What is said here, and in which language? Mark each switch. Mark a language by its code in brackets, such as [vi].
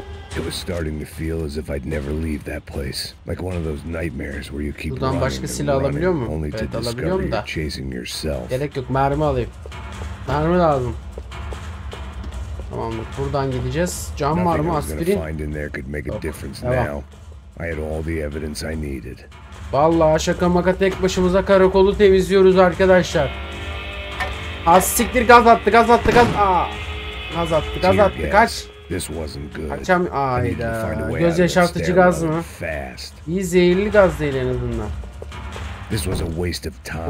[en] It was starting to feel as if I'd never leave that place. Like one of those nightmares where you keep running. [tr] Buradan başka silah alabiliyor mu? Evet alabiliyorum da. [en] Chasing yourself. [tr] Gerek yok, mermi alayım. Mermi lazım. Tamamdır, buradan gideceğiz. Cam var mı? Aspirin? [en] Find in there could make a difference now. I had all the evidence I needed. [tr] Vallahi şaka maka tek başımıza karakolu temizliyoruz arkadaşlar. Az siktir, gaz attı, gaz attı, gaz. Gaz attı, gaz attı, kaç. [en] This wasn't good. [tr] Kaçam, ayda. Göz yaşartıcı gaz mı? İyi, zehirli gaz değil en azından. [en] This was a waste of time.